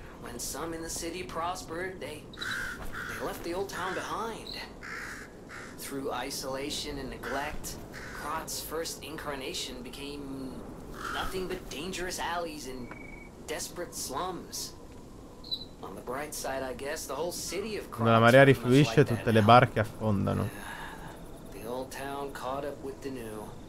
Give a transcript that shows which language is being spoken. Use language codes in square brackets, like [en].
[en] When some in the city prospered, they left the old town behind. Through isolation and neglect, Krat's first incarnation became nothing but dangerous alleys and desperate slums. On the bright side, I guess, the whole city of Krat. [it] Quando la marea rifluisce, tutte le barche affondano. [en] The old town caught up with the new.